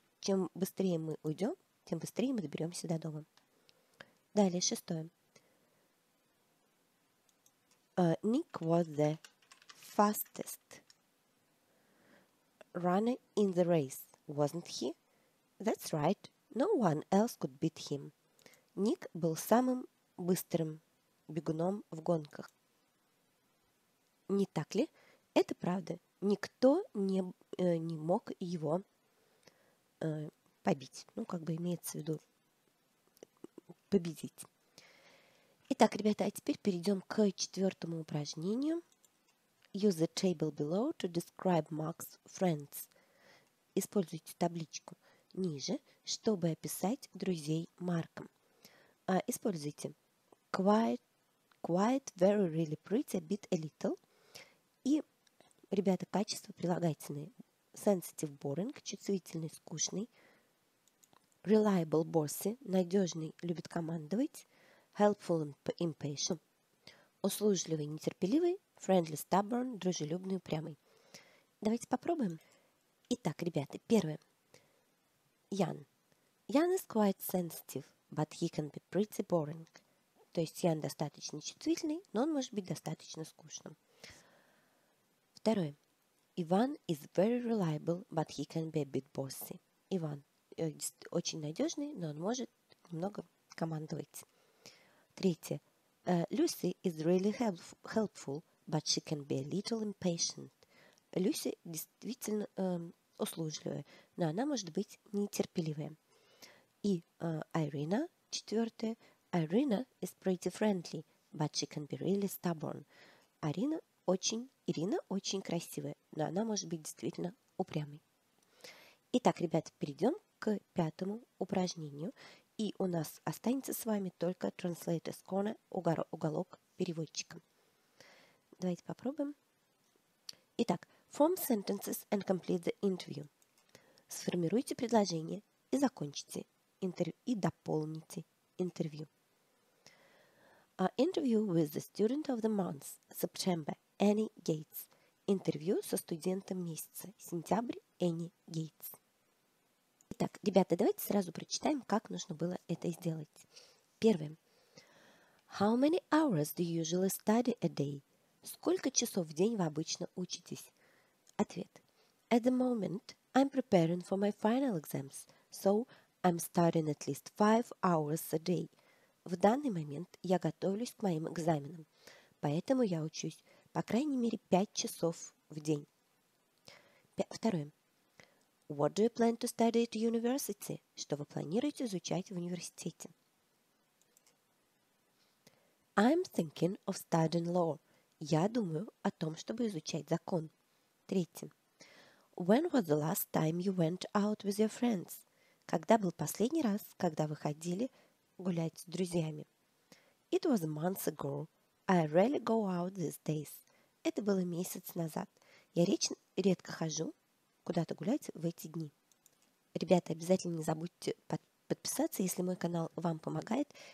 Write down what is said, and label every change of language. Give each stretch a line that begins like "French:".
Russian: Чем быстрее мы уйдем, тем быстрее мы доберемся до дома. Далее, шестое.
English: Nick was the fastest runner in the race, wasn't he? That's right. No one else could beat him.
Russian: Ник был самым быстрым бегуном в гонках. Не так ли? Это правда. Никто не мог его побить. Ну, как бы имеется в виду победить. Итак, ребята, а теперь перейдем к четвертому упражнению.
English: Use the table below to describe Mark's friends.
Russian: Используйте табличку ниже, чтобы описать друзей Марка. Используйте
English: quiet, very, really pretty, a bit, a little.
Russian: И, ребята, качества прилагательные.
English: Sensitive, boring,
Russian: чувствительный, скучный.
English: Reliable, bossy,
Russian: надежный, любит командовать.
English: Helpful, impatient.
Russian: Услужливый, нетерпеливый.
English: Friendly, stubborn,
Russian: дружелюбный, упрямый. Давайте попробуем. Итак, ребята, первое. Ян.
English: Ян is quite sensitive, but he can be pretty boring.
Russian: То есть Ян достаточно чувствительный, но он может быть достаточно скучным. Второе.
English: Иван is very reliable, but he can be a bit bossy.
Russian: Иван очень надежный, но он может немного командовать. Третье.
English: Люси is really helpful, but she can be a little impatient.
Russian: Люси действительно услужливая, но она может быть нетерпеливая. И Ирина, четвертое.
English: Ирина is pretty friendly, but she can be really stubborn.
Russian: Ирина очень красивая, но она может быть действительно упрямой. Итак, ребята, перейдем к пятому упражнению. И у нас останется с вами только Translator's Corner, уголок переводчика. Давайте попробуем.
English: Итак, form sentences and complete the interview.
Russian: Сформируйте предложение и закончите интервью, и дополните интервью.
English: Our interview with the student of the month, September, Annie Gates.
Russian: Интервью со студентом месяца, сентябрь, Annie Gates. Итак, ребята, давайте сразу прочитаем, как нужно было это сделать. Первое.
English: How many hours do you usually study a day?
Russian: Сколько часов в день вы обычно учитесь? Ответ.
English: At the moment, I'm preparing for my final exams, so I'm studying at least 5 hours a day.
Russian: В данный момент я готовлюсь к моим экзаменам, поэтому я учусь по крайней мере 5 часов в день. Второе.
English: What do you plan to study at university?
Russian: Что вы планируете изучать в университете?
English: I'm thinking of studying law.
Russian: Я думаю о том, чтобы изучать закон. Третье.
English: When was the last time you went out with your friends?
Russian: Когда был последний раз, когда вы ходили гулять с друзьями?
English: It was a month ago. I rarely go out these days.
Russian: Это было месяц назад. Я редко хожу куда-то гулять в эти дни. Ребята, обязательно не забудьте подписаться, если мой канал вам помогает.